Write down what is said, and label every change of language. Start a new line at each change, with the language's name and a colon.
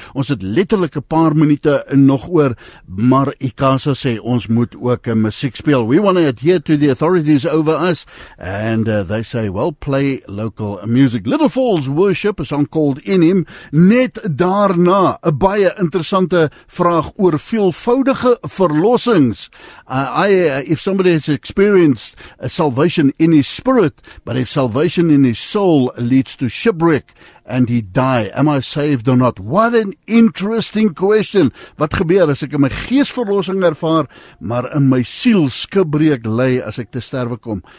Afrikaans: Ons het letterlik 'n paar minute nog oor, maar Ikasa sê, ons moet ook musiek speel.
English: We want to adhere to the authorities over us. And they say, well, play local music. Little Falls Worship, a song called In Him.
Afrikaans: Net daarna, 'n baie interessante vraag oor veelvoudige verlossings.
English: If somebody has experienced a salvation in his spirit, but if salvation in his soul leads to shipwreck and he die, am I saved or not? What an interesting question.
Afrikaans: Wat gebeur as ek in my gees verlossing ervaar, maar in my siel skipbreek lei as ek te sterwe kom?